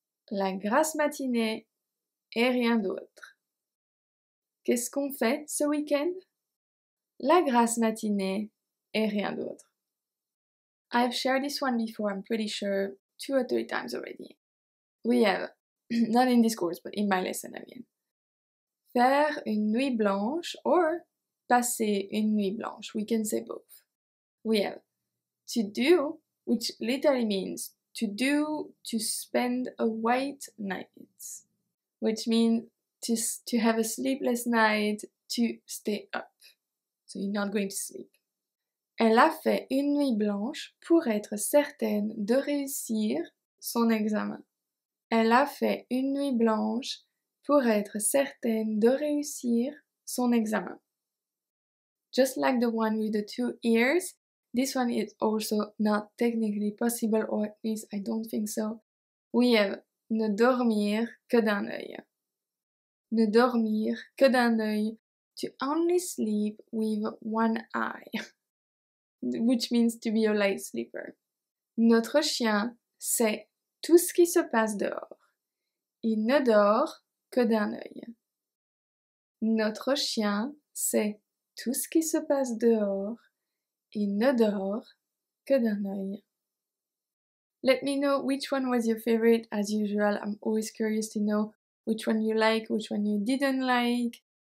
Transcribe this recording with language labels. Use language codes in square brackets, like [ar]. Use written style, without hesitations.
[fr] La grasse matinée et rien d'autre. Qu'est-ce qu'on fait ce week-end? La grasse matinée et rien d'autre. [en] I've shared this one before, I'm pretty sure, 2 or 3 times already. We have, not in this course, but in my lesson, I mean. [fr] Faire une nuit blanche or passer une nuit blanche. [en] We can say both. We have to do, which literally means to do, to spend a white night, which means to have a sleepless night, to stay up. So you're not going to sleep. [fr] Elle a fait une nuit blanche pour être certaine de réussir son examen. Elle a fait une nuit blanche pour être certaine de réussir son examen. [en] Just like the one with the 2 ears, this one is also not technically possible, or at least I don't think so. We have [fr] ne dormir que d'un œil. Ne dormir que d'un œil. [en] To only sleep with one eye. Which means to be a light sleeper. [fr] Notre chien sait tout ce qui se passe dehors. Il ne dort que d'un œil. Notre chien sait tout ce qui se passe dehors. Il ne dort que d'un œil. [en] Let me know which one was your favorite. As usual, I'm always curious to know which one you like, which one you didn't like.